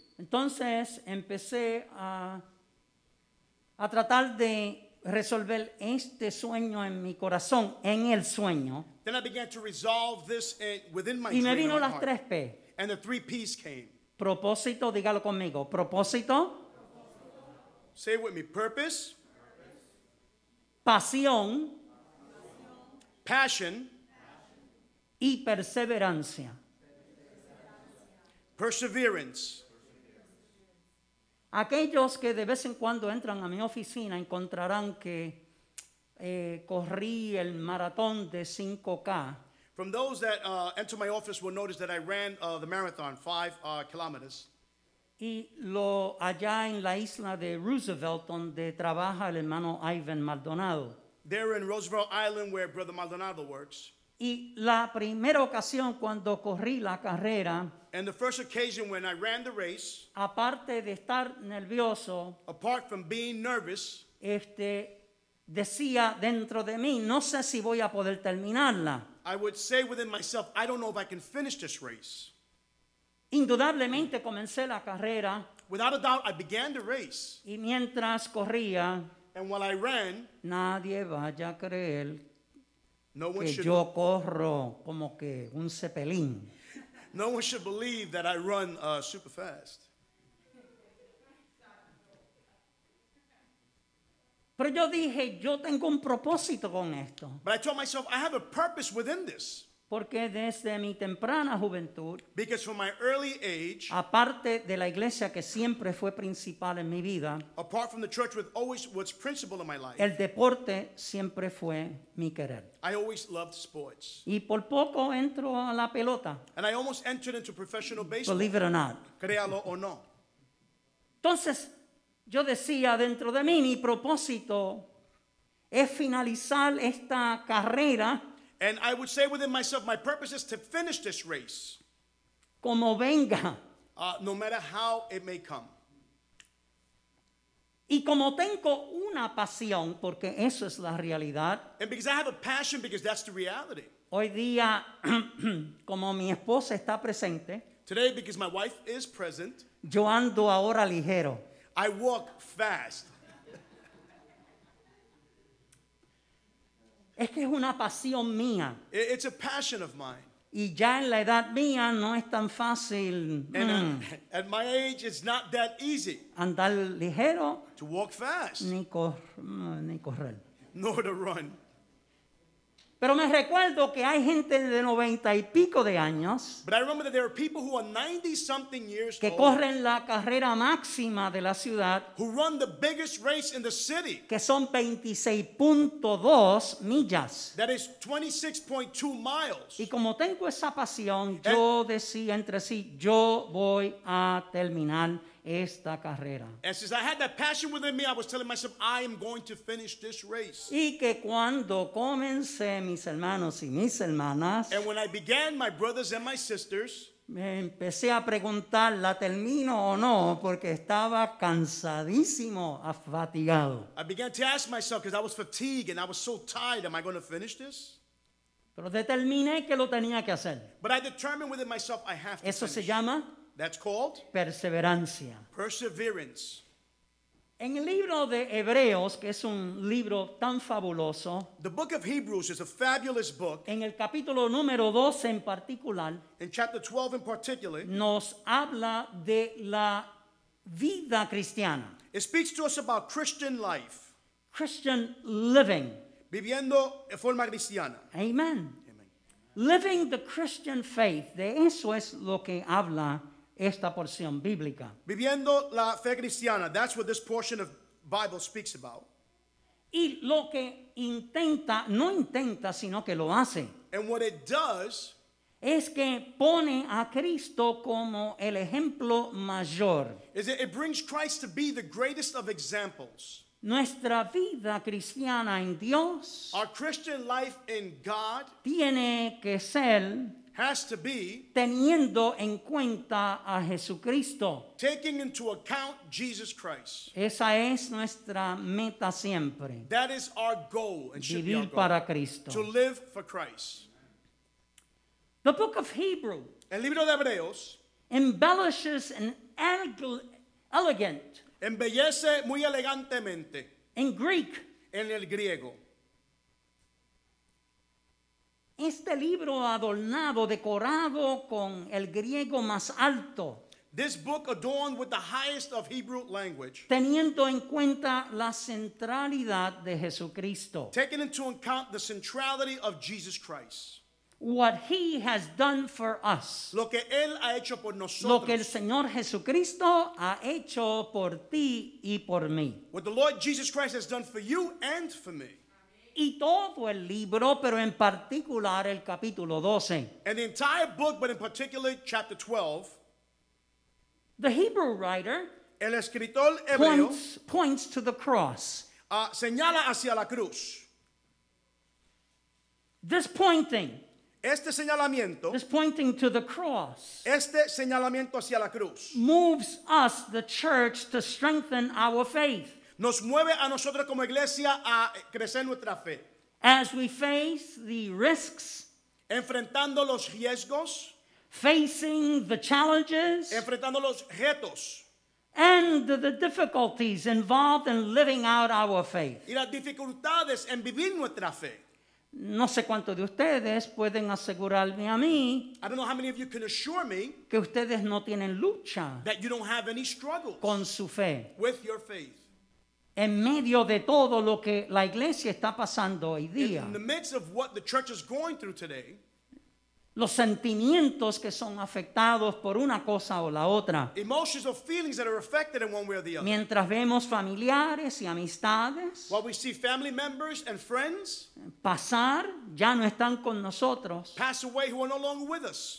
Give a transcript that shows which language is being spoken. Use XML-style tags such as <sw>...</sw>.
<es>Entonces empecé a tratar de resolver este sueño en mi corazón, en el sueño.</es> <en>Then I began to resolve this within my dream.</en> <es>Y me vino las 3P.</es> <en>And the 3Ps came.</en> <es>Propósito, dígalo conmigo. Propósito.</es> <en>Say it with me. Purpose.</en> <es>Pasión.</es> <en>Passion.</en> <es>y perseverancia.</es> <en>Perseverance.</en> <es>Aquellos que de vez en cuando entran a mi oficina encontrarán que corrí el maratón de 5K.</es> <en>From those that enter my office will notice that I ran the marathon, 5 kilometers.</en> <es>Y lo allá en la isla de Roosevelt, donde trabaja el hermano Ivan Maldonado.</es> <en>There in Roosevelt Island, where Brother Maldonado works.</en> <es>Y la primera ocasión cuando corrí la carrera,</es> <en>and the first occasion when I ran the race,</en> <es>aparte de estar nervioso,</es> <en>apart from being nervous,</en> <es>decía dentro de mí, no sé si voy a poder terminarla.</es> <en>I would say within myself, I don't know if I can finish this race.</en> <es>Indudablemente comencé la carrera.</es> <en>Without a doubt, I began the race.</en> <es>Y mientras corría,</es> <en>and while I ran,</en> <es>nadie vaya a creer,</es> <en>no one</en> <es>que</es> <en>should,</en> <es>yo corro como que un cepelín.</es> <en>No one should believe that I run super fast.</en> <es>Pero yo dije, yo tengo un propósito con esto.</es> <en>But I told myself, I have a purpose within this.</en> <es>Porque desde mi temprana juventud,</es> <en>because from my early age,</en> <es>aparte de la iglesia que siempre fue principal en mi vida,</es> <en>apart from the church which always was principal in my life,</en> <es>el deporte siempre fue mi querer.</es> <en>I always loved sports.</en> <es>Y por poco entro a la pelota.</es> <en>And I almost entered into professional baseball. Believe it or not.</en> <es>Créalo o no. Entonces, yo decía dentro de mí, mi propósito es finalizar esta carrera.</es> <en>And I would say within myself, my purpose is to finish this race.</en> <es>Como venga.</es> <en>No matter how it may come.</en> <es>Y como tengo una pasión, porque eso es la realidad.</es> <en>And because I have a passion, because that's the reality.</en> <es>Hoy día, como mi esposa está presente.</es> <en>Today, because my wife is present.</en> <es>Yo ando ahora ligero.</es> <en>I walk fast.</en> <es>Es que es una pasión mía.</es> <en>It's a passion of mine.</en> <es>Y ya en la edad mía no es tan fácil.</es> <en>At my age, it's not that easy.</en> <es>Andar ligero.</es> <en>To walk fast.</en> <es>Ni correr.</es> <en>Nor to run.</en> <es>Pero me recuerdo que hay gente de 90 y pico de años.</es> <en>But I remember that there are people who are 90-something years</en> <es>que</es> <en>old.</en> <es>Que corren la carrera máxima de la ciudad.</es> <en>Who run the biggest race in the city.</en> <es>Que son 26.2 millas.</es> <en>That is 26.2 miles.</en> <es>Y como tengo esa pasión, yo decía entre sí, yo voy a terminar esta carrera.</es> <en>And since I had that passion within me, I was telling myself, I am going to finish this race.</en> <es>Y que cuando comencé, mis hermanos y mis hermanas,</es> <en>and when I began, my brothers and my sisters,</en> <es>me empecé a preguntar, ¿la termino o no? Porque estaba cansadísimo, afatigado.</es> <en>I began to ask myself, because I was fatigued and I was so tired, am I going to finish this?</en> <es>Pero determiné que lo tenía que hacer.</es> <en>But I determined within myself, I have to finish.</en> <es>Eso se llama.</es> <en>That's called</en> <es>perseverancia.</es> <en>Perseverance.</en> <es>En el libro de Hebreos, que es un libro tan fabuloso,</es> <en>the book of Hebrews is a fabulous book.</en> <es>En el capítulo número 12 en particular,</es> <en>in chapter 12 in particular,</en> <es>nos habla de la vida cristiana.</es> <en>It speaks to us about Christian life. Christian living.</en> <es>Viviendo de forma cristiana.</es> <en>Amen. Amen. Living the Christian faith.</en> <es>De eso es lo que habla esta porción bíblica. Viviendo la fe cristiana,</es> <en>that's what this portion of Bible speaks about.</en> <es>Y lo que intenta, no intenta, sino que lo hace.</es> <en>And what it does</en> <es>es que pone a Cristo como el ejemplo mayor.</es> <en>Is it brings Christ to be the greatest of examples.</en> <es>Nuestra vida cristiana en Dios,</es> <en>our Christian life in God,</en> <es>tiene que ser,</es> <en>has to be,</en> <es>teniendo en cuenta a Jesucristo.</es> <en>Taking into account Jesus Christ.</en> <es>Esa es nuestra meta siempre.</es> <en>That is our goal and should</en> <es>vivir</es> <en>be our goal.</en> <es>Para Cristo.</es> <en>To live for Christ. The book of Hebrews,</en> <es>el libro de Hebreos,</es> <en>embellishes an elegant,</en> <es>embellece muy elegantemente,</es> <en>in Greek,</en> <es>en el griego. Este libro adornado, decorado con el griego más alto.</es> <en>This book adorned with the highest of Hebrew language.</en> <es>Teniendo en cuenta la centralidad de Jesucristo.</es> <en>Taking into account the centrality of Jesus Christ. What he has done for us.</en> <es>Lo que él ha hecho por nosotros. Lo que el Señor Jesucristo ha hecho por ti y por mí.</es> <en>What the Lord Jesus Christ has done for you and for me.</en> <es>Y todo el libro, pero en particular el capítulo 12.</es> <en>And the entire book, but in particular chapter 12. The Hebrew writer.</en> <es>El escritor hebreo.</es> <en>Points to the cross.</en> <es>Señala hacia la cruz.</es> <en>This pointing.</en> <es>Este señalamiento.</es> <en>This pointing to the cross.</en> <es>Este señalamiento hacia la cruz.</es> <en>Moves us, the church, to strengthen our faith.</en> <es>Nos mueve a nosotros como iglesia a crecer nuestra fe.</es> <en>As we face the risks,</en> <es>enfrentando los riesgos,</es> <en>facing the challenges,</en> <es>enfrentando los retos,</es> <en>and the difficulties involved in living out our faith.</en> <es>Y las dificultades en vivir nuestra fe. No sé cuántos de ustedes pueden asegurarme a mí,</es> <en>I don't know how many of you can assure me,</en> <es>que ustedes no tienen lucha,</es> <en>that you don't have any struggles,</en> <es>con su fe,</es> <en>with your faith.</en> <es>En medio de todo lo que la iglesia está pasando hoy día.</es> <en>In the midst of what the church is going through today.</en> <es>Los sentimientos que son afectados por una cosa o la otra.</es> <en>Emotions or feelings that are affected in one way or the other.</en> <es>Mientras vemos familiares y amistades.</es> <en>While we see family members and friends.</en> <es>Pasar, ya no están con nosotros.</es> <en>Pass away who are no longer with us.</en>